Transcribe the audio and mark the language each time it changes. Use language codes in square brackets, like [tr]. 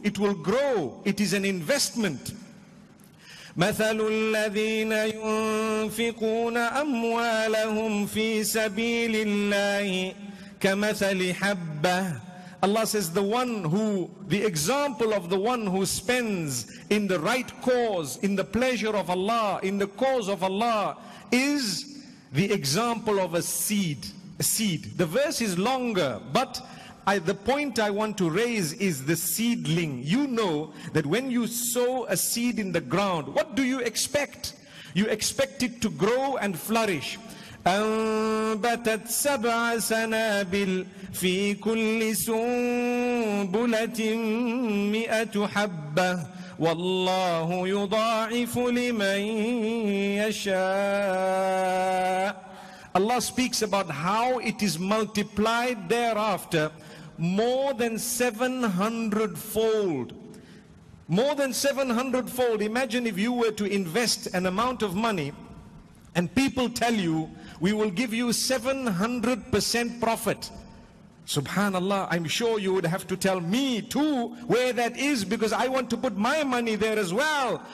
[en] It will grow. It is an investment. [ar] مثل الذين ينفقون أموالهم في سبيل الله كمثل حبة [en] Allah says the example of the one who spends in the right cause, in the pleasure of Allah, in the cause of Allah, is the example of a seed. The verse is longer, but the point I want to raise is the seedling. You know that when you sow a seed in the ground, what do you expect? You expect it to grow and flourish. [ar] أَنْبَتَتْ سَبْعَ سَنَابِلْ فِي كُلِّ سُنْبُلَةٍ مِئَةُ حَبَّةٍ وَاللَّهُ يُضَاعِفُ لِمَنْ يَشَاءُ [en] Allah speaks about how it is multiplied thereafter more than 700-fold. More than 700-fold. Imagine if you were to invest an amount of money and people tell you, we will give you 700% profit. Subhanallah, I'm sure you would have to tell me too where that is, because I want to put my money there as well.